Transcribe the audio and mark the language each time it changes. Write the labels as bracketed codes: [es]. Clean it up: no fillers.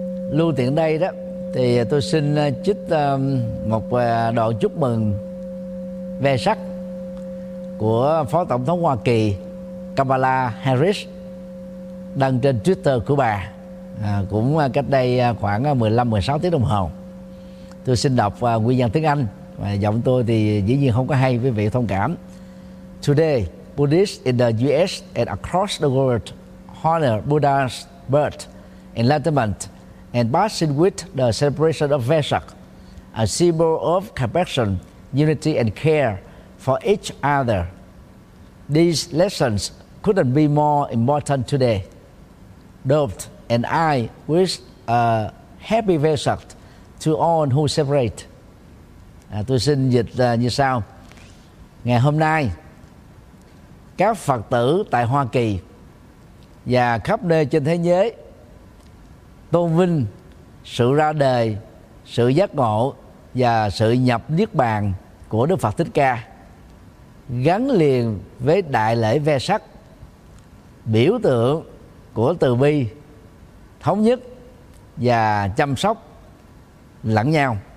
[vi] Lưu tiện đây đó, thì tôi xin trích một đoạn chúc mừng về sắc của Phó Tổng thống Hoa Kỳ Kamala Harris đăng trên Twitter của bà cũng cách đây khoảng 15-16 tiếng đồng hồ. Tôi xin đọc nguyên văn tiếng Anh, và giọng tôi thì dĩ nhiên không có hay, quý vị thông cảm. [en] Today, Buddhists in the US and across the world honor Buddha's birth, enlightenment, and passing with the celebration of Vesak, a symbol of compassion, unity, and care for each other. These lessons couldn't be more important today. doped, and I wish a happy Vesak to all who celebrate. [vi] Tôi xin dịch như sau. Ngày hôm nay, các Phật tử tại Hoa Kỳ và khắp nơi trên thế giới tôn vinh sự ra đời, sự giác ngộ và sự nhập Niết Bàn của Đức Phật Thích Ca, gắn liền với đại lễ Vesak, biểu tượng của từ bi, thống nhất và chăm sóc lẫn nhau.